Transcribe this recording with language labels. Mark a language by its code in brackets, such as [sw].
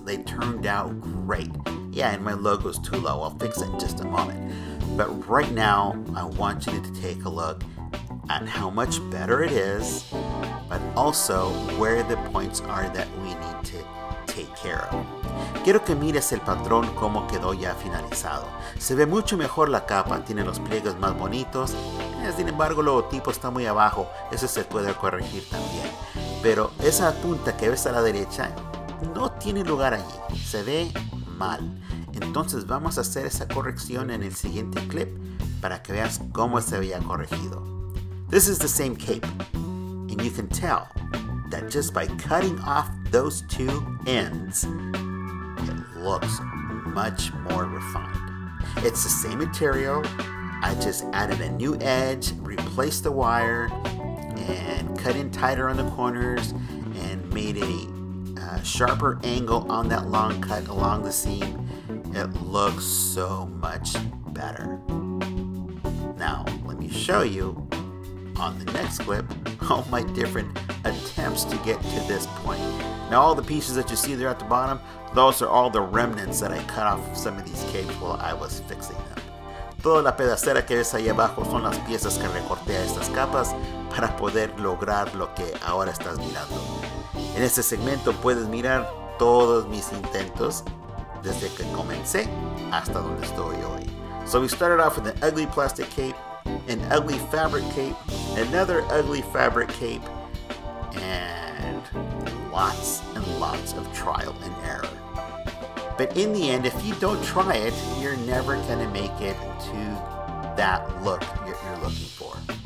[en] They turned out great. Yeah, and my logo's too low. I'll fix it in just a moment. But right now, I want you to take a look at how much better it is, but also where the points are that we need to take care of. [es] Quiero que mires el patrón como quedó ya finalizado. Se ve mucho mejor la capa, tiene los pliegues más bonitos. Sin embargo, el logotipo está muy abajo. Eso se puede corregir también. pero esa punta que ves a la derecha no tiene lugar allí, se ve mal. Entonces vamos a hacer esa corrección en el siguiente clip para que veas cómo se había corregido. [en] This is the same cape, and you can tell that just by cutting off those two ends, it looks much more refined. It's the same material, I just added a new edge, replaced the wire, and cut in tighter on the corners, and made a sharper angle on that long cut along the seam. It looks so much better. Now, let me show you on the next clip all my different attempts to get to this point. Now, all the pieces that you see there at the bottom, those are all the remnants that I cut off of some of these capes while I was fixing them. [es] Toda la pedacera que ves ahí abajo son las piezas que recorté a estas capas para poder lograr lo que ahora estás mirando. En este segmento puedes mirar todos mis intentos desde que comencé hasta donde estoy hoy. [en] So we started off with an ugly plastic cape, an ugly fabric cape, another ugly fabric cape, and lots of trial and error. But in the end, if you don't try it, you're never gonna make it to that look you're looking for.